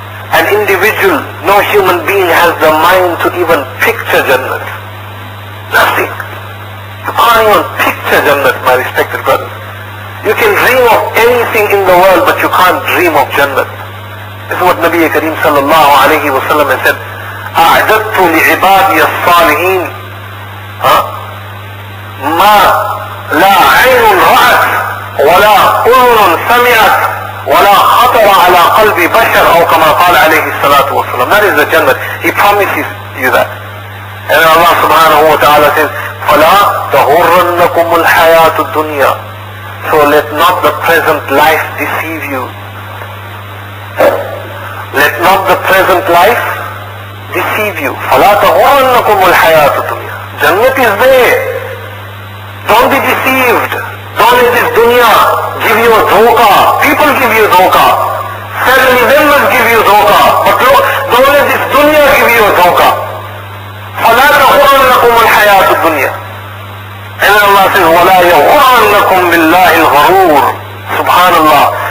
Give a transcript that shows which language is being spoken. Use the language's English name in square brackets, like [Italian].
[English] An individual, no human being has the mind to even picture Jannat. Nothing. You can't even picture Jannat, my respected brother. You can dream of anything in the world, but you can't dream of Jannat. This is what Nabi Kareem sallallahu alayhi wa sallam has said, [Arabic] أَعْدَدْتُ لِعِبَادِيَ الصَّالِحِينَ ما لا عين رأت ولا أذن سمعت ولا خطر على قلب بشر أو كما قال عليه الصلاة والسلام. [English] That is the Jannah. He promises you that. And Allah subhanahu wa ta'ala says, [Arabic] فلا تغرنكم الحياة الدنيا. [English] So let not the present life deceive you. Let not the present life deceive you. [Arabic] فلا تغرنكم الحياة الدنيا. [English] Jannah is there. Don't be deceived. Don't let this dunya give you a dhoka. People give you a dhoka. Family members give you a dhoka. But look, don't let this dunya give you a dhoka. [Arabic] فَلَا تَغُرَنَّكُمُ الْحَيَاةُ الدُّنْيَا. [English] And then Allah says, [Arabic] وَلَا يَغُرَنَّكُمْ بِاللَّهِ الْغَرُورِ. Subhanallah.